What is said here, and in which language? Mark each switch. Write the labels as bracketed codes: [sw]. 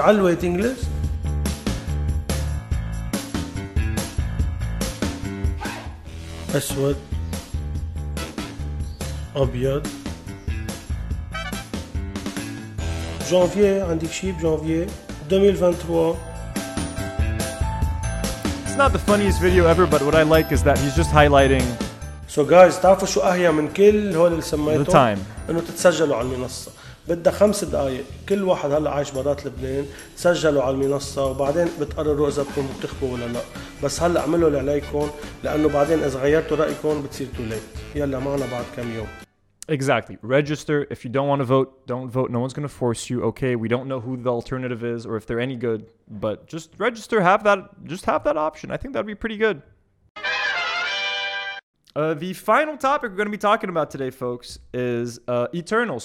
[ar] على [en] waiting list. [ar] أسود. أبيض. Janvier, عندك شي بجانفيير 2023. [en] It's not the funniest video ever, but what I like is that he's just highlighting. So guys, [ar] تعرفوا شو أهيا من كل هول اللي سميتهم؟ [en] The time. [ar] إنه تتسجلوا على المنصة. بدها 5 دقايق، كل واحد هلا عايش برات لبنان، تسجلوا على المنصة وبعدين بتقرروا إذا بتكونوا بتخبوا ولا لا، بس هلا اعملوا اللي عليكم لأنه بعدين إذا غيرتوا رأيكم بتصير [en] too late. [ar] يلا معنا بعد كم يوم. [en] Exactly. Register. If you don't want to vote, don't vote. No one's going to force you. Okay. We don't know who the alternative is or if they're any good, but just register. Have that. Just have that option. I think that'd be pretty good. The final topic we're going to be talking about today, folks, is Eternals.